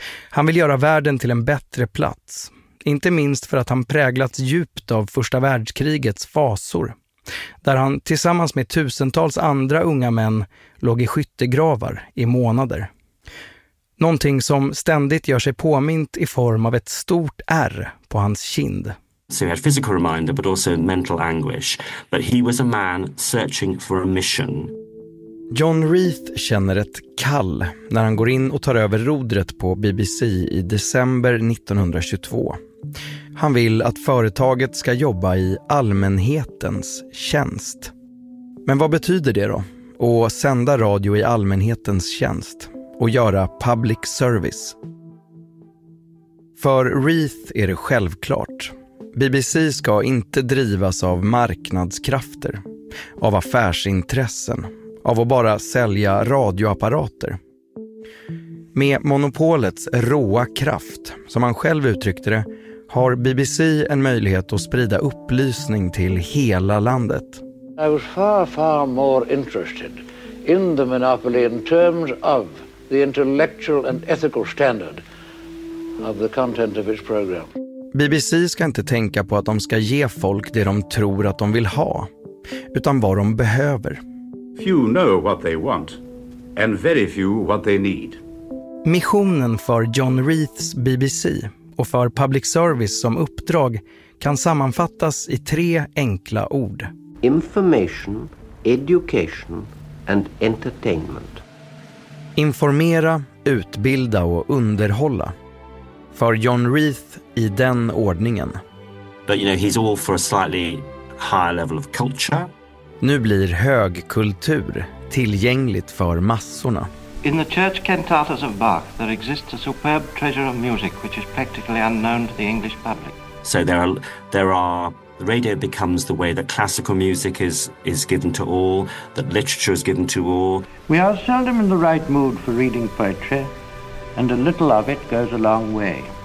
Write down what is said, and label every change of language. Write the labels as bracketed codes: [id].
[sv] Han vill göra världen till en bättre plats. Inte minst för att han präglats djupt av första världskrigets fasor. Där han tillsammans med tusentals andra unga män låg i skyttegravar i månader. Någonting som ständigt gör sig påmint i form av ett stort R på hans kind. [en] So he had physical reminder but also mental anguish. But he was a man searching for a mission. [sv] John Reith känner ett kall när han går in och tar över rodret på BBC i december 1922. Han vill att företaget ska jobba i allmänhetens tjänst. Men vad betyder det då? Att sända radio i allmänhetens tjänst och göra public service? För Reith är det självklart. BBC ska inte drivas av marknadskrafter, av affärsintressen, av att bara sälja radioapparater. Med monopolets råa kraft, som han själv uttryckte det, har BBC en möjlighet att sprida upplysning till hela landet. [en] I was far, far more interested in the monopoly in terms of the intellectual and ethical standard of the content of its program. [sv] BBC ska inte tänka på att de ska ge folk det de tror att de vill ha, utan vad de behöver. [en] Few know what they want and very few what they need. [sv] Missionen för John Reiths BBC och för public service som uppdrag kan sammanfattas i tre enkla ord. [en] Information, education and entertainment. [sv] Informera, utbilda och underhålla. För John Reith i den ordningen. [en] But you know, he's all for a slightly higher level of culture. [sv] Nu blir högkultur tillgängligt för massorna. [en] In the church cantatas of Bach there exists a superb treasure of music which is practically unknown to the English public. So there are radio becomes the way that classical music is given to all, that literature is given to all. We are seldom in the right mood for reading poetry and a little of it goes a long way.